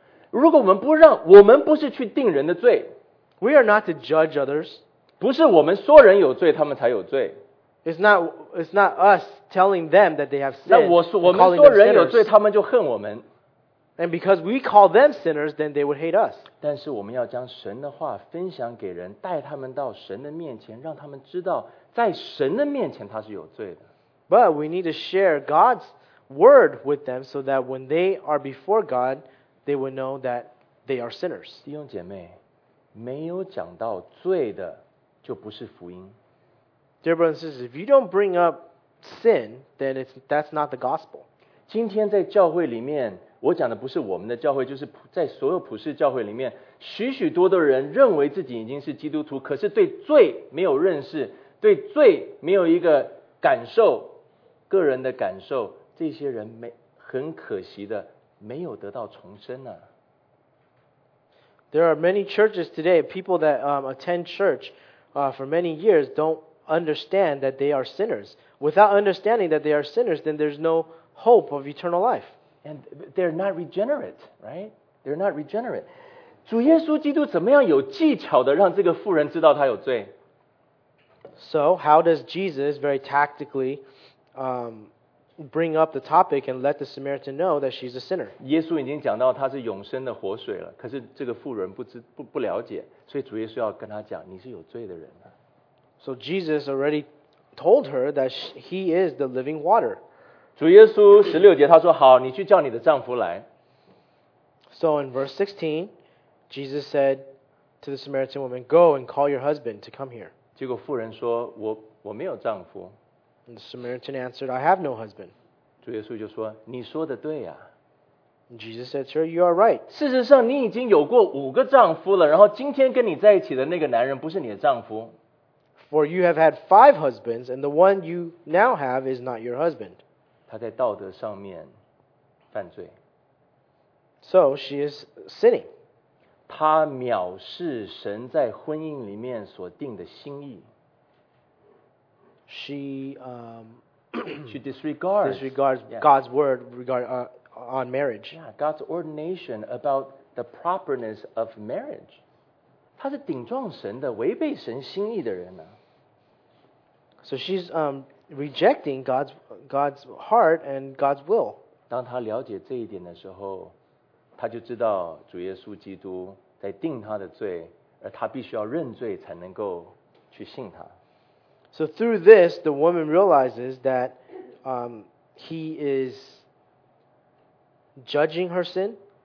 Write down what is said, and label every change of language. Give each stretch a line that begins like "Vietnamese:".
Chinese: 如果我们不让，我们不是去定人的罪。
English: We are not to judge others.
Chinese: 不是我们说人有罪，他们才有罪。
English: It's not us telling them that they have sin.
Chinese: 我们说人有罪，他们就恨我们。
English: And because we call them sinners, then they would hate us.
Chinese: 但是我们要将神的话分享给人，带他们到神的面前，让他们知道在神的面前他是有罪的。
English: But we need to share God's word with them so that when they are before God, they will know that they are sinners.
Chinese: 弟兄姐妹，没有讲到罪的就不是福音。
English: Dear brothers and sisters, if you don't bring up sin, then that's not the gospel.
Chinese: 今天在教会里面，我讲的不是我们的教会，就是在所有普世教会里面，许许多多人认为自己已经是基督徒，可是对罪没有认识，对罪没有一个感受，个人的感受，这些人没很可惜的没有得到重生呢。
English: There are many churches today, people that attend church for many years don't understand that they are sinners. Without understanding that they are sinners, then there's no hope of eternal life. And they're not regenerate, right? They're not regenerate.
Chinese: 主耶稣基督怎么样有技巧的让这个妇人知道他有罪？
English: So how does Jesus very tactically bring up the topic and let the Samaritan know that she's a sinner?
Chinese: 耶稣已经讲到她是永生的活水了，可是这个妇人不了解，所以主耶稣要跟她讲，你是有罪的人。
English: So Jesus already told her that he is the living water.
Chinese: 主耶稣十六节他说，好，你去叫你的丈夫来。
English: So in verse 16, Jesus said to the Samaritan woman, go and call your husband to come here.
Chinese: 结果妇人说，我没有丈夫。
English: And the Samaritan answered, I have no husband.
Chinese: 主耶稣就说，你说的对呀。
English: Jesus said, sir, you are right.
Chinese: 事实上你已经有过五个丈夫了，然后今天跟你在一起的那个男人不是你的丈夫。
English: For you have had five husbands, and the one you now have is not your husband.
Chinese: 她在道德上面犯罪。
English: So she is sinning.
Chinese: 她藐视神在婚姻里面所定的心意。
English: She she disregards yeah. God's word on marriage. Yeah, God's ordination about the properness of marriage.
Chinese: 她是顶撞神的，违背神心意的人呢。
English: So she's rejecting God's heart and God's will.
Chinese: 当她了解这一点的时候，她就知道主耶稣基督在定她的罪，而她必须要认罪才能够去信他。
English: So through this, the woman realizes that he is judging her sin.